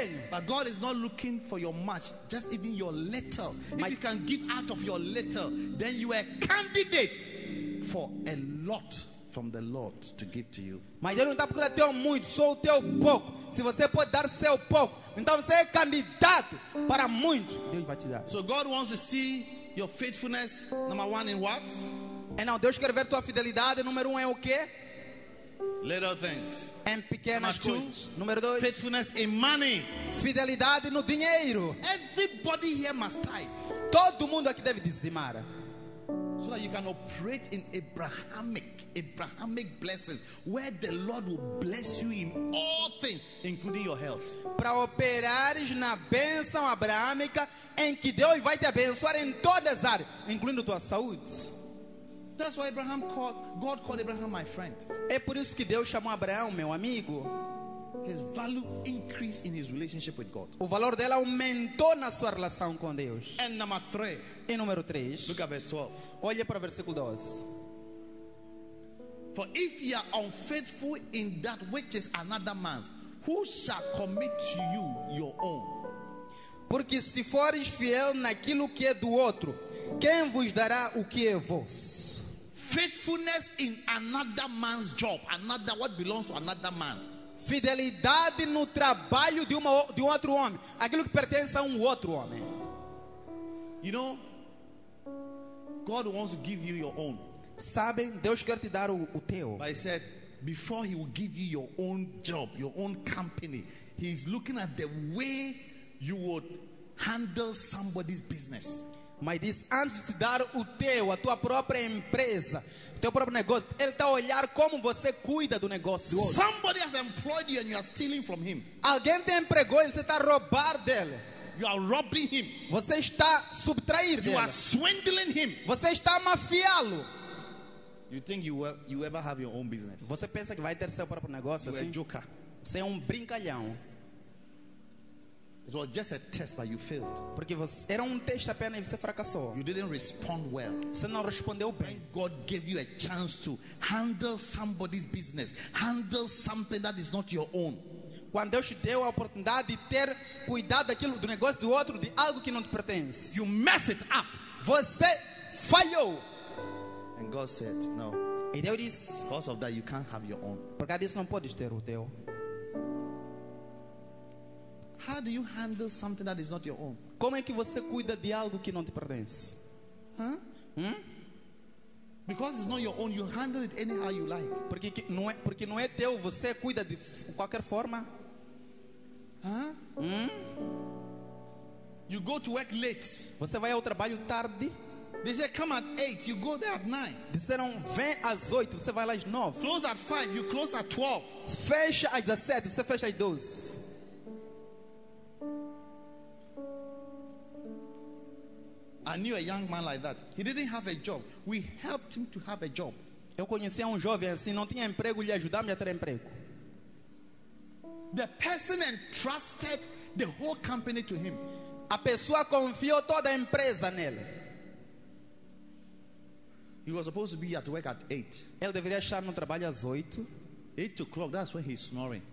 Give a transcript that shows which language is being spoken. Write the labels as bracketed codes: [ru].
[en] But God is not looking for your much, just even your little. If you can give out of your little, then you are a candidate for a lot from the Lord to give to you. [pt] Mas Deus não está procurando teu muito, só o teu pouco. Se você pode dar seu pouco, então você é candidato para muito. Deus vai te dar. [en] So God wants to see your faithfulness, number one, in what? [pt] E não, Deus quer ver tua fidelidade, número um, é o quê? [en] Little things. [pt] And pequenas coisas. Número dois. [en] Faithfulness in money. [pt] Fidelidade no dinheiro. [en] Everybody here must tithe. [pt] Todo mundo aqui deve dizimar. [en] So that you can operate in Abrahamic blessings, where the Lord will bless you in all things, including your health. [pt] Para operares na bênção abraâmica, em que Deus vai te abençoar em todas as áreas, incluindo tua saúde. [en] That's why Abraham called, God called Abraham my friend. [pt] É por isso que Deus chamou Abraão meu amigo. [en] His value increased in his relationship with God. [pt] O valor dela aumentou na sua relação com Deus. [en] And number three. [pt] E número 3. [en] Look at verse 12. [pt] Olha para o versículo 12. [en] For if you are unfaithful in that which is another man's, who shall commit to you your own? [pt] Porque se fores fiel naquilo que é do outro, quem vos dará o que é vosso? [en] Faithfulness in another man's job, another what belongs to another man. [pt] Fidelidade no trabalho de um outro homem, aquilo que pertence a um outro homem. [en] You know, God wants to give you your own. [pt] Sabem, Deus quer te dar o teu. [en] But he said, before he will give you your own job, your own company, he is looking at the way you would handle somebody's business. [pt] Mas diz, antes de te dar o teu, a tua própria empresa, o teu próprio negócio, ele está a olhar como você cuida do negócio. [en] Somebody has employed you and you are stealing from him. [pt] Alguém te empregou e você está a roubar dele. [en] You are robbing him. [pt] Você está a subtrair dele. [en] You are swindling him. [pt] Você está a mafiá-lo. [en] You think you ever have your own business? [pt] Você pensa que vai ter seu próprio negócio? [en] You [pt] assim? [en] Are a joker. [pt] Você é um brincalhão. [en] It was just a test, but you failed. [pt] Porque você era teste apenas e você fracassou. [en] You didn't respond well. [pt] Você não respondeu bem. [en] When God gave you a chance to handle somebody's business, handle something that is not your own. [pt] Quando Deus te deu a oportunidade de ter cuidado daquilo do negócio do outro, de algo que não te pertence. [en] You mess it up. [pt] Você falhou. [en] And God said, no. [pt] E Deus disse, [en] because of that, you can't have your own. [pt] Por causa disso, não podes ter o teu. [en] How do you handle something that is not your own? [pt] Como é que você cuida de algo que não te pertence? Huh? Hmm? [en] Because it's not your own, you handle it anyhow you like. [pt] Porque não é teu, você cuida de qualquer forma. Huh? Hmm? [en] You go to work late. [pt] Você vai ao trabalho tarde. [en] They say come at 8, you go there at 9. [pt] Disseram vem às 8, você vai lá às 9. [en] Close at 5, you close at 12. [pt] Fecha às 17, você fecha às 12. [en] I knew a young man like that. He didn't have a job. We helped him to have a job. [pt] Eu conhecia jovem assim, não tinha emprego, lhe ajudamos a ter emprego. [en] The person entrusted the whole company to him. [pt] A pessoa confiou toda a empresa nele. [en] He was supposed to be at work at 8. [pt] Ele deveria estar no trabalho às 8. [en] 8 o'clock, that's when he's snoring.